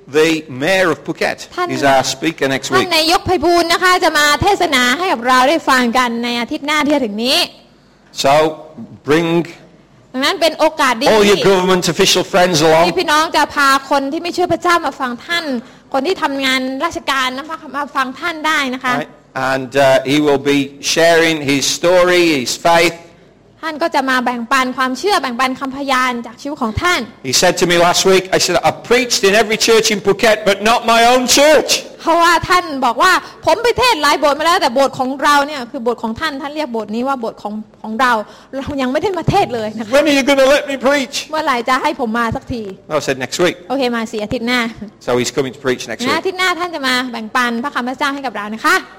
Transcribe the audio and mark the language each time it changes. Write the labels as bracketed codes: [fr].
[en] The mayor of Phuket is our speaker next week. [th] ท่านนายกไพบูลย์นะคะจะมาเทศนาให้กับเราได้ฟังกันในอาทิตย์หน้าที่ถึงนี้ [en] So bring [th] ดังนั้นเป็นโอกาสดี [en] All your government official friends along. [th] พี่น้องจะพาคนที่ไม่เชื่อพระเจ้ามาฟังท่านคนที่ทำงานราชการนะคะมาฟังท่านได้นะคะ [en] And he will be sharing his story, his faith. [th] ท่านก็จะมาแบ่งปันความเชื่อแบ่งปันคำพยานจากชีวิตของท่าน [en] He said to me last week I said I preached in every church in Phuket but not my own church [th] เพราะว่าท่านบอกว่าผมไปเทศหลายโบสถ์มาแล้วแต่โบสถ์ของเราเนี่ยคือโบสถ์ของท่านท่านเรียกโบสถ์นี้ว่าโบสถ์ของเราเรายังไม่ได้มาเทศเลยนะคะ [en] When are you going to let me preach [th] เมื่อไหร่จะให้ผมมาสักที [en] I said next week [th] โอเคมาสิอาทิตย์หน้า [en] So he's coming to preach next week อ [th] าทิตย์หน้าท่านจะมาแบ่งปันพระคำพระเจ้าให้กับเรานะคะ